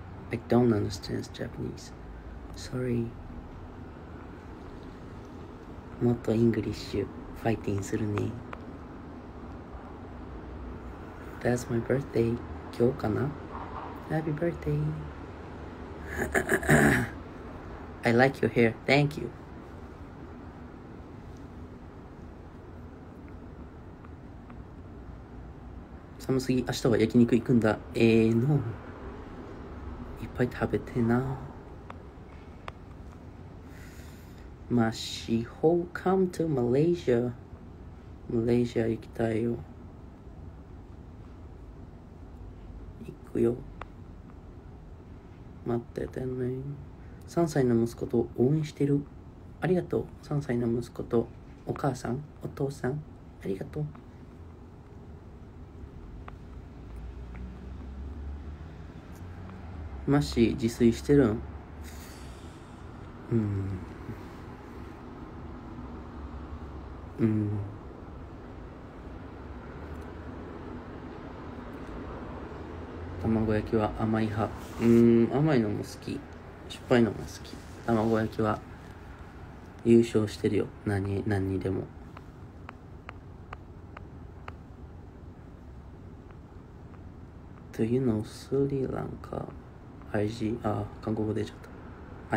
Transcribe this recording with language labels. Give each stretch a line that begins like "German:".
English: I don't understand Japanese. Sorry.
Japanese: もっとイングリッシュファイティングするね。
English: That's my birthday.
Japanese: 今日かな?
English: Happy birthday. I like your hair. Thank you.
Japanese: 寒すぎ。明日は焼肉行くんだ。の。いっぱい食べてな。
English: まあ、しほう、come to Malaysia。
Japanese: マレーシア行きたいよ。行くよ。待っててね。3歳の息子と応援してる。ありがとう。 3歳の息子とお母さん、お父さん、ありがとう。マッシー自炊してるん。卵焼きは甘い派。甘いのも好き、しょっぱいのも好き。卵焼きは優勝してるよ。何にでも。
English: Do you know スリランカ。
Japanese: IG、あ、韓国語出ちゃった。